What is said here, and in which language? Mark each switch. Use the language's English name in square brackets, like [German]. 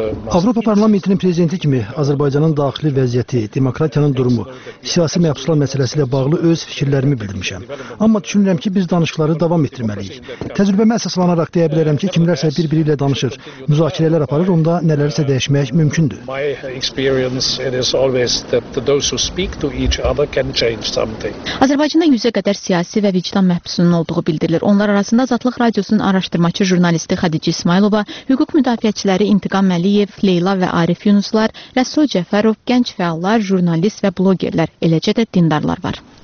[Azerbaijani] Avropa Parlamentinin prezidenti kimi Azərbaycanın daxili vəziyyəti, demokratiyanın durumu, siyasi məhbuslar məsələsi ilə bağlı öz fikirlərimi bildirmişəm. Amma düşünürəm ki, biz danışıqları davam etdirməliyik. Təcrübəmə əsaslanaraq deyə bilərəm ki, kimlərsə bir-biri ilə danışır, müzakirələr aparır, onda nələrisə dəyişmək mümkündür. [English] My experience it is always that those who speak to each other can change something. [Azerbaijani] Azərbaycanda 100-ə qədər siyasi və vicdan məhbusunun olduğu bildirilir. Onlar arasında Azadlıq Radiosunun araşdırmaçı jurnalisti Xadicə İsmayılova, hüquq müdafiəçiləri İntiqam Əliyev, Leyla və Arif Yunuslar, Rəsul Cəfərov, gənc fəallar, jurnalist və blogerlər, eləcə də dindarlar var.